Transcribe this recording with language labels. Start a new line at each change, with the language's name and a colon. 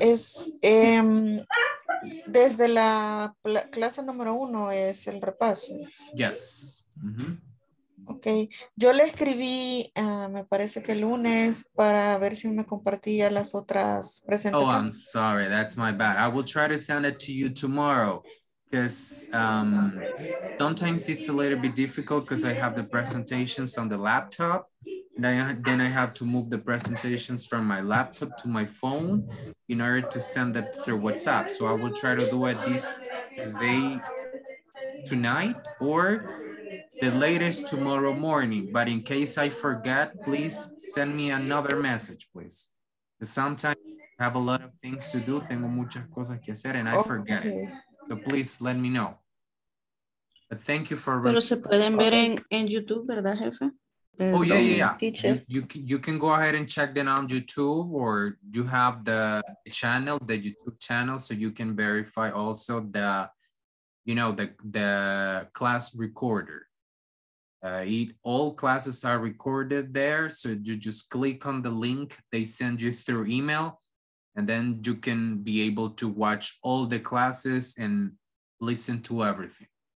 Spanish: Es, desde la clase número uno es el repaso.
English: Yes. Mm-hmm. Ok.
Spanish: Yo le escribí, me parece que el lunes, para ver si me compartía las otras presentaciones.
English: Oh, I'm sorry. That's my bad. I will try to send it to you tomorrow. Because sometimes it's a little bit difficult because I have the presentations on the laptop. Then I have to move the presentations from my laptop to my phone in order to send it through WhatsApp. So I will try to do it this day tonight or the latest tomorrow morning. But in case I forget, please send me another message, please. Sometimes I have a lot of things to do.
Spanish: Tengo muchas cosas que hacer
English: and I forget it. So please let me know. But thank you for...
Spanish: Pero se pueden ver en YouTube, ¿verdad, jefe?
English: Oh, yeah, yeah, yeah. You can go ahead and check them on YouTube, or you have the channel, the YouTube channel, so you can verify also the, you know, the class recorder. All classes are recorded there, so you just click on the link they send you through email, and then you can be able to watch all the classes and listen to everything.